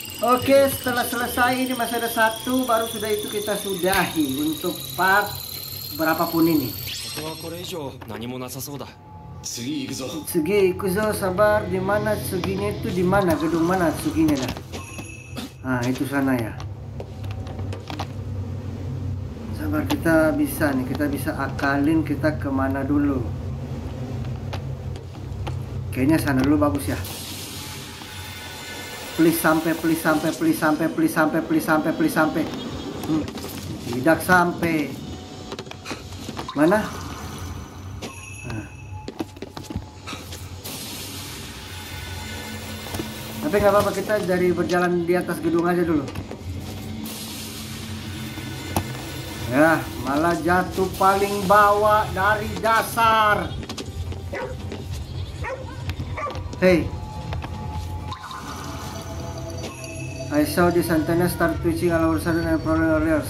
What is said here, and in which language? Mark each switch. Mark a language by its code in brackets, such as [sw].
[id] Oke, setelah selesai ini masih ada satu, baru sudah itu kita sudahi untuk part berapapun ini. [ja] これ以上何もなさそうだ。次行くぞ。次行くぞ。 [id] Sabar, di mana suginya itu? Di mana gedung mana suginya dah? Ah, itu sana ya. Sabar, kita bisa nih, kita bisa akalin kita ke mana dulu. Kayaknya sana dulu bagus ya. Please sampai, please sampai, please sampai, please sampai, please sampai, please sampai. Tidak sampai. Mana? Tapi nggak apa-apa, kita dari berjalan di atas gedung aja dulu. Ya, malah jatuh paling bawah dari dasar. [en] Hey, I saw this antenna start twitching all over sudden and problem earlier.